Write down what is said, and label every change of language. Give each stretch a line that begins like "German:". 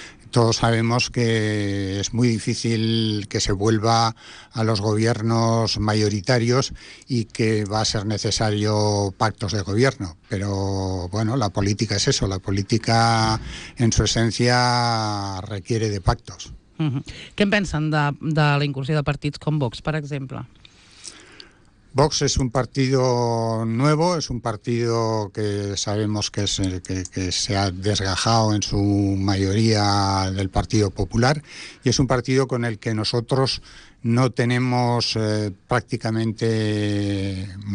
Spanish: Todos sabemos que es muy difícil que se vuelva a los gobiernos mayoritarios y que va a ser necesario pactos de gobierno. Pero bueno, la política es eso, la política en su esencia requiere de pactos.
Catalan: Què en pensen de la incursió de partits com Vox, per exemple?
Spanish: Vox es un partido nuevo, es un partido que sabemos que, que se ha desgajado en su mayoría del Partido Popular, y es un partido con el que nosotros no tenemos prácticamente